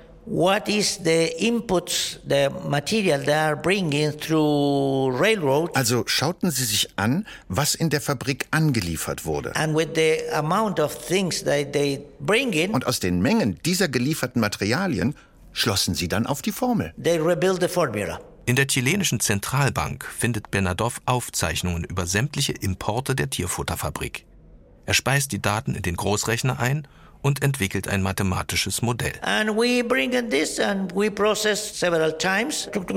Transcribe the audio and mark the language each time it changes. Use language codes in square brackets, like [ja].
[en] what is the inputs, the material they are bringing through railroad. [de] Also schauten Sie sich an, was in der Fabrik angeliefert wurde. [en] And with the amount of things that they bring in. [de] Und aus den Mengen dieser gelieferten Materialien schlossen Sie dann auf die Formel. [en] They rebuild the formula. [de] In der chilenischen Zentralbank findet Bernadov Aufzeichnungen über sämtliche Importe der Tierfutterfabrik. Er speist die Daten in den Großrechner ein und entwickelt ein mathematisches Modell. [en] And we bring in this and we process several times.